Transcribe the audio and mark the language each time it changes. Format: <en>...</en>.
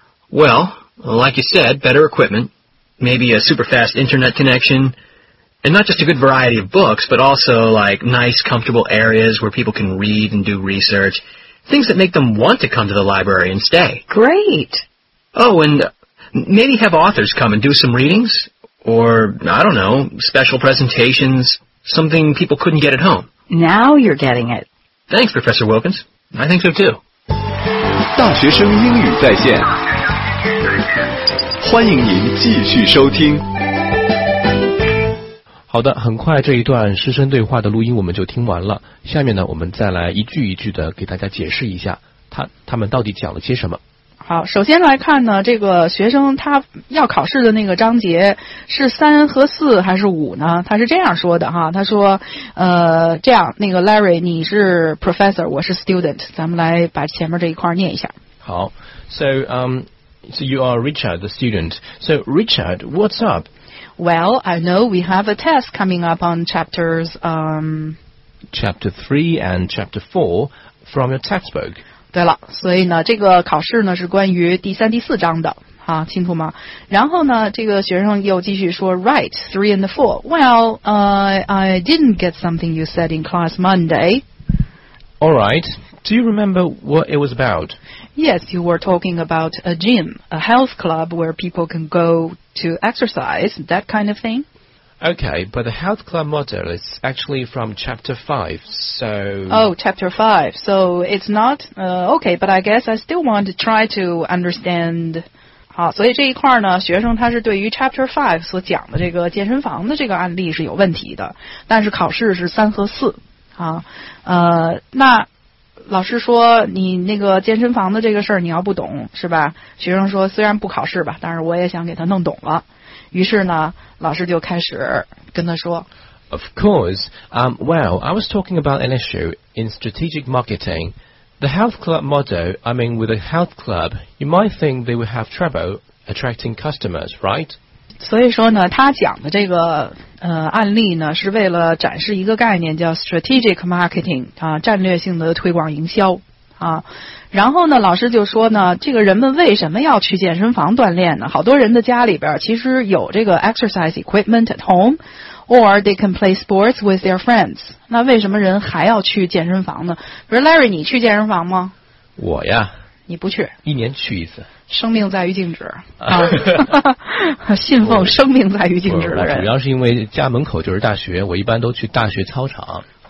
<en>Well, like you said, better equipment, maybe a super fast internet connection, and not just a good variety of books, but also, like, nice, comfortable areas where people can read and do research, things that make them want to come to the library and stay. Great. Oh, and maybe have authors come and do some readings, or, I don't know, special presentations, something people couldn't get at home. Now you're getting it. Thanks, Professor Wilkins. I think so, too.</en> <zh>大学生英语在线，欢迎您继续收听。好的，很快这一段师生对话的录音我们就听完了。下面呢，我们再来一句一句的给大家解释一下，他们到底讲了些什么。好，首先来看呢，这个学生他要考试的那个章节是三和四还是五呢？他是这样说的哈，他说，这样，那个 Larry， 你是 professor， 我是 student， 咱们来把前面这一块念一下。</zh> <en>好 ，So you are Richard, the student. So Richard, what's up? Well, I know we have a test coming up on chapter 3 and chapter 4 from your textbook.</en> <zh>对了，所以呢，这个考试呢是关于第三、第四章的，啊，清楚吗？然后呢，这个学生又继续说 ，</zh> <en>Right, three and four. Well, I didn't get something you said in class Monday. All right. Do you remember what it was about? Yes, you were talking about a gym, a health club where people can go to exercise, that kind of thing. Okay, but the health club model is actually from chapter 5, so... Oh, chapter 5, so it's not... okay, but I guess I still want to try to understand...</en> <zh>好，所以这一块呢，学生他是对于 chapter 5所讲的这个健身房的这个案例是有问题的，但是考试是3和4。那老师说你那个健身房的这个事儿你要不懂，是吧？学生说虽然不考试吧，但是我也想给他弄懂了。于是呢，老师就开始跟他说。</zh> <en>Of course. Well, I was talking about an issue in strategic marketing. The health club model, I mean, with a health club, you might think they would have trouble attracting customers, right?</en> <zh>所以说呢，他讲的这个案例呢，是为了展示一个概念叫 strategic marketing 啊，战略性的推广营销啊。然后呢，老师就说呢，这个人们为什么要去健身房锻炼呢？好多人的家里边其实有这个</zh> <en>exercise equipment at home, or they can play sports with their friends.</en> <zh>那为什么人还要去健身房呢？不是 Larry， 你去健身房吗？我呀，你不去，一年去一次。生命在于静止啊！信奉生命在于静止的人，主要是因为家门口就是大学，我一般都去大学操场。</zh>